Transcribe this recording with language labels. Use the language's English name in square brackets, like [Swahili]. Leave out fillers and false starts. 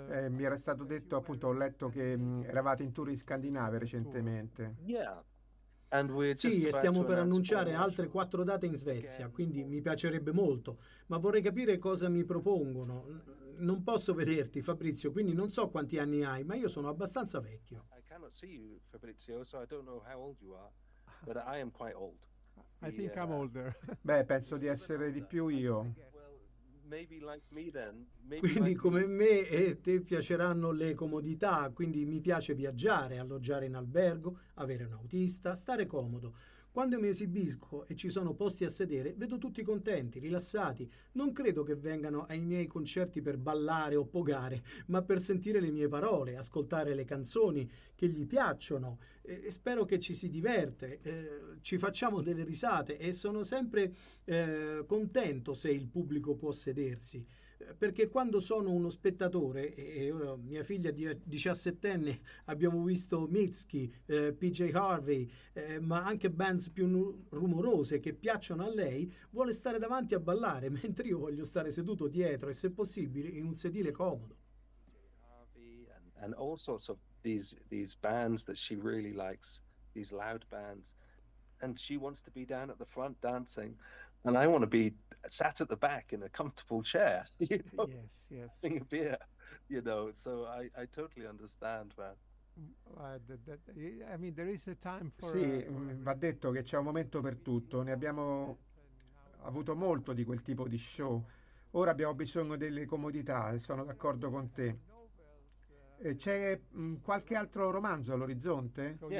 [Italian] Mi era stato detto, appunto, ho letto che eravate in tour in Scandinavia recentemente. [English] Yeah. And we're [Italian] sì, e stiamo per annunciare altre 4 date in Svezia, quindi mi piacerebbe molto, ma vorrei capire cosa mi propongono. Non posso vederti, Fabrizio, quindi non so quanti anni hai, ma io sono abbastanza vecchio. [English] I cannot see you, Fabrizio, so I don't know how old you are, but I am quite old. I think I'm older. [Italian] Beh, penso di essere di più io. [English] Maybe like me then. Maybe [Italian] quindi [English] like [Italian] come me e te piaceranno le comodità, quindi mi piace viaggiare, alloggiare in albergo, avere un autista, stare comodo. Quando mi esibisco e ci sono posti a sedere, vedo tutti contenti, rilassati. Non credo che vengano ai miei concerti per ballare o pogare, ma per sentire le mie parole, ascoltare le canzoni che gli piacciono. E spero che ci si diverte, ci facciamo delle risate e sono sempre contento se il pubblico può sedersi. Perché quando sono uno spettatore, e mia figlia 17enne, abbiamo visto Mitski, PJ Harvey, ma anche bands più rumorose che piacciono a lei, vuole stare davanti a ballare, mentre io voglio stare seduto dietro e se possibile in un sedile comodo. [English] And all sorts of these bands that she really likes, these loud bands, and she wants to be down at the front dancing, and I want to be sat at the back in a comfortable chair, you know? Yes, yes. Drinking a beer, you know. So I totally understand, man. I mean, there is a time for. [Italian] Sì, va detto che c'è un momento per tutto. Ne abbiamo avuto molto di quel tipo di show. Ora abbiamo bisogno delle comodità. E sono d'accordo con te. C'è qualche altro romanzo all'orizzonte?